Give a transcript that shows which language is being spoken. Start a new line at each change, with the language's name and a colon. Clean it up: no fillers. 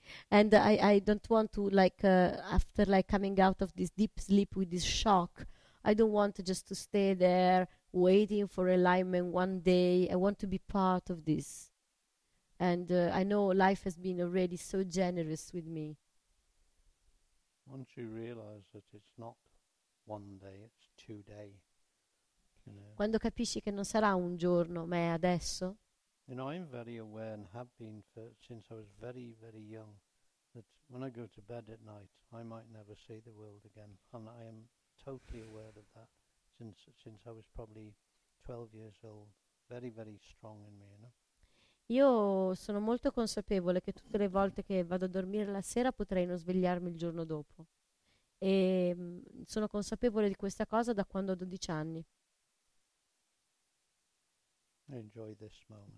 English: And I don't want to, like, after like coming out of this deep sleep with this shock, I don't want to just to stay there waiting for alignment one day. I want to be part of this. And I know life has been already so generous with me. Once you realize that it's not one day, it's 2 days. You know.
Italian: Quando capisci che non sarà un giorno, ma è adesso.
English: You know, I'm very aware and have been since I was very, very young that when I go to bed at night, I might never see the world again. And I am totally aware of that since I was probably 12 years old. Very, very strong in me, you know.
Italian: Io sono molto consapevole che tutte le volte che vado a dormire la sera potrei non svegliarmi il giorno dopo. E sono consapevole di questa cosa da quando ho 12 anni.
English: Enjoy this moment.